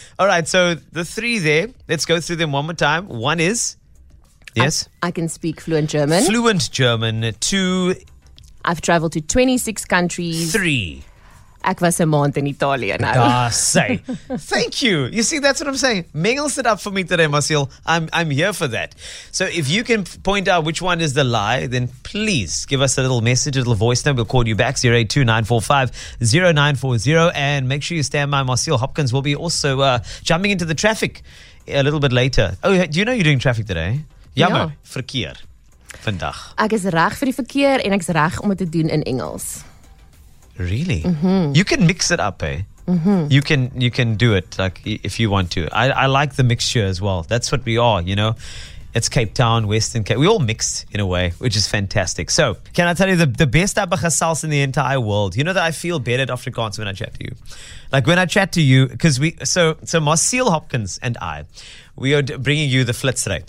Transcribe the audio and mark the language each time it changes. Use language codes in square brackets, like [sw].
[en] All right, so the three there, let's go through them one more time. One is. Yes? I can speak fluent German. Fluent German. Two. I've traveled to 26 countries. Three. [af] Ek was 'n maand in Italië nou. [en] Thank you. You see, that's what I'm saying. Mingle it up for me today, Marciel. I'm here for that. So if you can point out which one is the lie, then please give us a little message, a little voice note. We'll call you back, 082-945-0940. And make sure you stand by. Marciel Hopkins will be also jumping into the traffic a little bit later. Oh, do you know you're doing traffic today? [af] Jammer, ja. Verkeer, vandag. Ek is reg vir die verkeer en ek is reg om dit te doen in Engels. [en] Really? Mm-hmm. You can mix it up, eh? Mm-hmm. You can do it like if you want to. I like the mixture as well. That's what we are, you know? It's Cape Town, Western Cape. We all mixed in a way, which is fantastic. So, can I tell you the best abba gesels in the entire world? You know that I feel better at Afrikaans when I chat to you. Like when I chat to you, because so Marciel Hopkins and I, we are bringing you the Flits, right?